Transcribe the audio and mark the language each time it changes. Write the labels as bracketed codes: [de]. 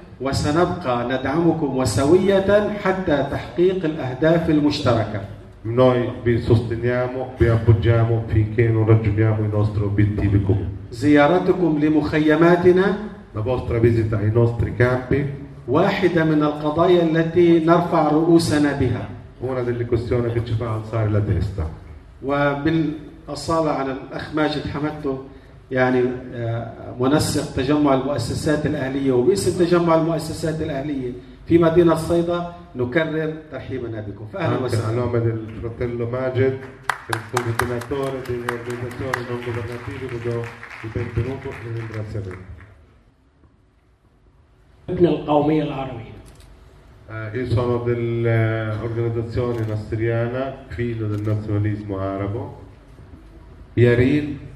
[ar] وسنبقى ندعمكم وسوية حتى تحقيق الأهداف المشتركة. [it] Noi vi sosteniamo, vi appoggiamo finché non raggiungiamo i nostri obiettivi comuni. [ar] زيارتكم لمخيماتنا. [it] La vostra visita ai nostri campi. [ar] واحدة من القضايا التي نرفع رؤوسنا بها. [it] Una delle questioni che ci fa alzare la testa. [ar] وبالأصالة عن الأخ ماجد حمدتو. يعني منسق تجمع المؤسسات الأهلية وباسم تجمع المؤسسات الأهلية في مدينة صيدا نكرر ترحيبنا بكم فأهلا وسهلا. [it] نعم del fratello Majed, il coordinatore delle organizzazioni non governative, vi do il benvenuto e ringraziamento. [ar] ابن القومية العربية. [it] Io sono dell'organizzazione nasriana, figlio del nazionalismo arabo. Yarin.